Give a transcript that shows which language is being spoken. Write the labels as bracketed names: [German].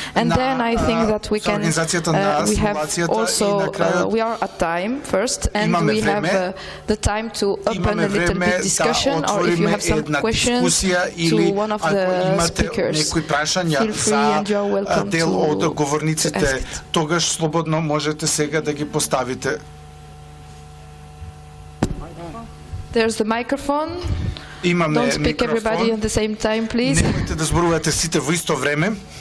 [English] And then I think that we can, we have also, we are at time first, and we have the time to open a little bit discussion, or if you have some questions to one of the speakers, feel free and you are welcome to ask it. [Macedonian] Тогаш слободно можете сега да ги поставите. [English] There's the microphone. Don't speak everybody at the same time, please. [Macedonian] Немојте да зборувате сите во исто време.